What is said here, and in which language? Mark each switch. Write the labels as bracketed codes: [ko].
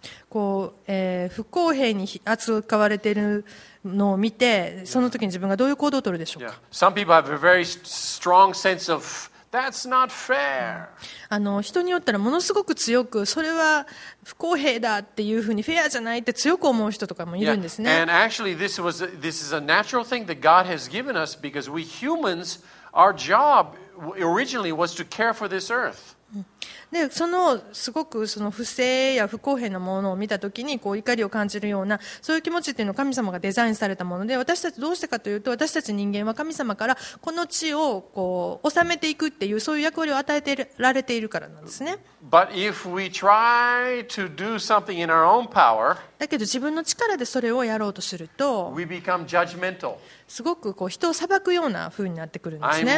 [ja] こう不公平に扱われているのを見て、その時に自分がどういう行動を取るでしょうか。 [en] Yeah. Some people have a very strong sense of that's not fair. [ja] 人によったらものすごく強くそれは不公平だっていうふうにフェアじゃないって強く思う人とかもいるんですね。 [en] Yeah. And actually, this is a natural thing that God has given us because we humans, our job originally was to care for this earth. [ja] でそのすごくその不正や不公平なものを見たときにこう怒りを感じるようなそういう気持ちというのは神様がデザインされたもので、私たちどうしてかというと、私たち人間は神様からこの地をこう治めていくっていうそういう役割を与えてられているからなんですね。 [en] But if we try to do something in our own power, [ja] だけど自分の力でそれをやろうとすると [en] we become judgmental. [ja] すごくこう人を裁くような風になってくるんですね。